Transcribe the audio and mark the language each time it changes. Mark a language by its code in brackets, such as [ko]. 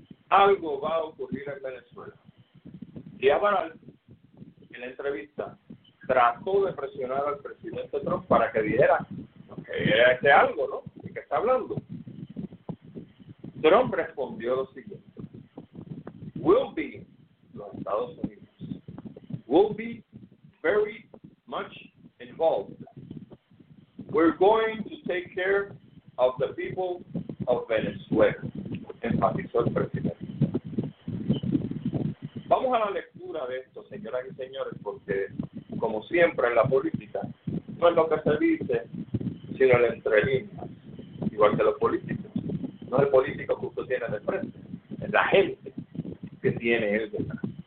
[es] Algo va a ocurrir en Venezuela. Y Abaral, en la entrevista, trató de presionar al presidente Trump para que dijera que era este algo, ¿no? ¿De qué está hablando? Trump respondió lo siguiente. [en] Will be [es] los Estados Unidos. [en] Will be very much involved. We're going to take care of the people of Venezuela. [es] Enfatizó el presidente. Vamos a la lectura de esto, señoras y señores, porque como siempre en la política, no es lo que se dice, sino el entre líneas, igual que los políticos. No es el político que usted tiene de frente, es la gente que tiene él detrás.